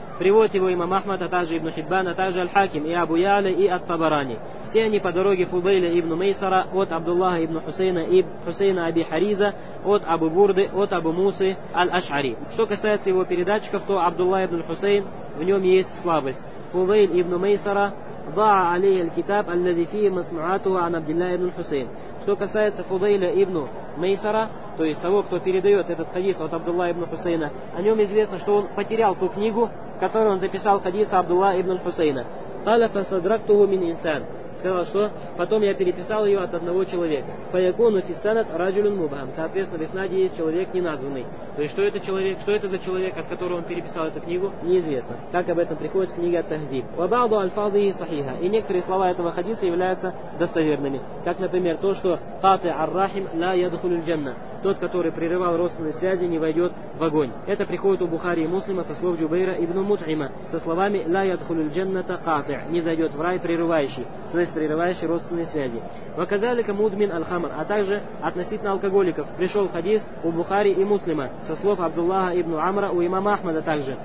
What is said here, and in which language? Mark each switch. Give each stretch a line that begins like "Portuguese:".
Russian: Приводят его имам Ахмад, а также Ибн Хиббан, а также Аль-Хаким, и Абу Яля, и Ат-Табарани. Все они по дороге Фудейля ибн Мейсара, от Абдуллаха ибн Хусейна, ибн Хусейна Аби Хариза, от Абу Бурды, от Абу Мусы Аль-Ашари. Что касается его передатчиков, то Абдуллах ибн Хусейн, в нем есть слабость.
Arabic: Фудейль ибн Мейсара, ضَعَ عَلَيْهِ الْكِتَابِ أَلَّذِي فِيهِ مَسْمُعَاتُهُ عَنَ عَبْدِ اللَّهِ ابْنُ الْحُسَيْنِ.
Russian: Что касается Фудейля ибн Мейсара, то есть того, кто передает этот хадис от Абдуллаха ибн Хусейна, о нем известно, что он потерял ту книгу, которую он записал хадиса Абдуллаха ибн Хусейна.
Arabic: قَالَ فَصَدْرَكْتُهُ مِنْ إِنْسَانِ.
Russian: Сказал, что потом я переписал ее от одного человека.
Arabic: فَيَكُونُ فِي السَّنَدِ رَجُلٌ مُبْهَمٌ.
Russian: Соответственно, в иснаде есть человек неназванный. То есть, что это человек, что это за человек, от которого он переписал эту книгу, неизвестно. Так об этом приходит в книге «Тахзиб».
Arabic: وَبَعْضُ أَلْفَاظِهِ صَحِيحًا.
Russian: И некоторые слова этого хадиса являются достоверными. Как, например, то, что
Arabic: قَاطِعُ الرَّحِمِ لَا يَدْخُلُ الْجَنَّةَ.
Russian: Тот, который прерывал родственные связи, не войдет в огонь. Это приходит у Бухари и Муслима со слов Джубейра ибн Мутхима, со словами
Arabic: «لَا يَدْخُلُ الْجَنَّةَ قَاطِعُ».
Russian: Не зайдет в рай прерывающий, то есть прерывающий родственные связи.
Arabic: وَكَذَلِكَ مُدْمِنْ الْخَمْرِ.
Russian: А также относительно алкоголиков пришел хадис у Бухари и Муслима со слов Абдуллаха ибн Амра у имама Ахмада также.